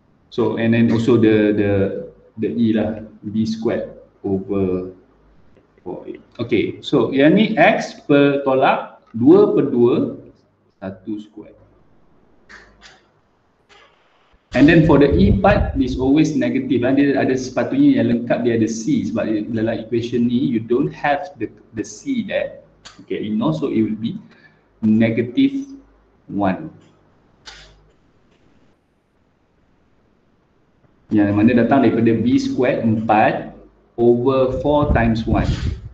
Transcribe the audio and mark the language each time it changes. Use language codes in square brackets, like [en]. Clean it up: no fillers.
[en] So and then also the E lah, B squared over 4A. [ms] Okay, so yang ni X per tolak 2 per 2, 1 squared. [en] And then for the E part, this always negative. [ms] Dia ada sepatutnya yang lengkap, dia ada C. Sebab dalam equation ni, [en] you don't have the C there. Okay, you know, so it will be negative 1. [ms] Yang mana datang daripada B squared 4 over 4 times 1.